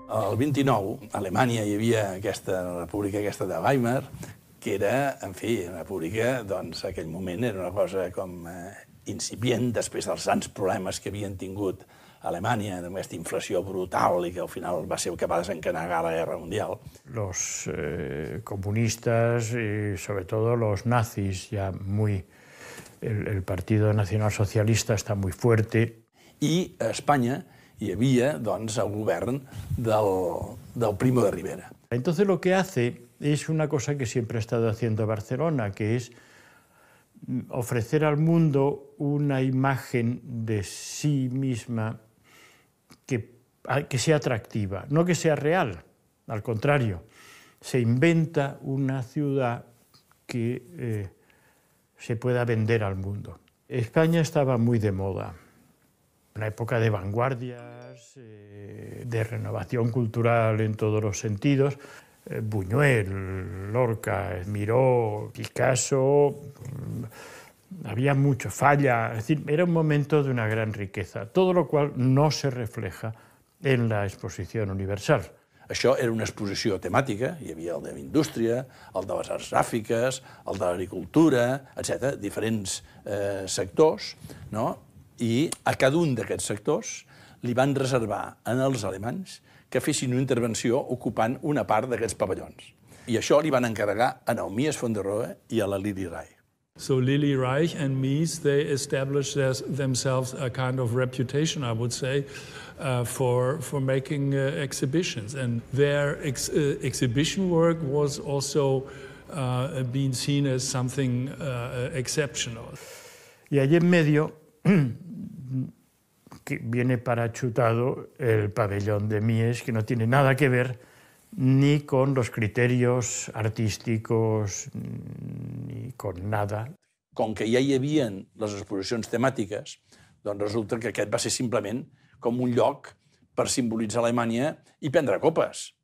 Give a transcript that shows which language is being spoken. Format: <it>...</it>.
<ca>El 29, a Alemanya hi havia aquesta república aquesta de Weimar, que era, en fi, una república, doncs, aquell moment era una cosa com incipient, després dels grans problemes que havien tingut Alemanya, amb aquesta inflació brutal i que al final va ser el que va desencadenar la Guerra Mundial.</ca> <es>Los comunistas y sobre todo los nazis, ya muy... El Partido Nacional Socialista está muy fuerte.</es> <ca>I a Espanya hi havia, doncs, el govern del Primo de Rivera.</ca> <es>Entonces lo que hace es una cosa que siempre ha estado haciendo Barcelona, que es ofrecer al mundo una imagen de sí misma que sea atractiva, no que sea real, al contrario. Se inventa una ciudad que se pueda vender al mundo. España estaba muy de moda. Una época de vanguardias, de renovación cultural en todos los sentidos. Buñuel, Lorca, Miró, Picasso, había mucho, Falla. Es decir, era un momento de una gran riqueza, todo lo cual no se refleja en la Exposición Universal.</es> <ca>Això era una exposició temàtica, hi havia el de la indústria, el de les arts gràfiques, el de l'agricultura, etc., diferents sectors, no? I a cada un d'aquests sectors li van reservar als alemanys que fessin una intervenció ocupant una part d'aquests pavellons. I això li van encarregar a Mies von der Rohe i a la Lili Reich.</ca> <en>So Lili Reich and Mies, they established themselves a kind of reputation, I would say, for making exhibitions. And their exhibition work was also being seen as something exceptional.</en> <es>Y allí en medio... que viene para chutado el pabellón de Mies, que no tiene nada que ver ni con los criterios artísticos ni con nada.</es> <ca>Com que ja hi havien les exposicions temàtiques, doncs resulta que aquest va ser simplement com un lloc per simbolitzar Alemanya i prendre copes.</ca>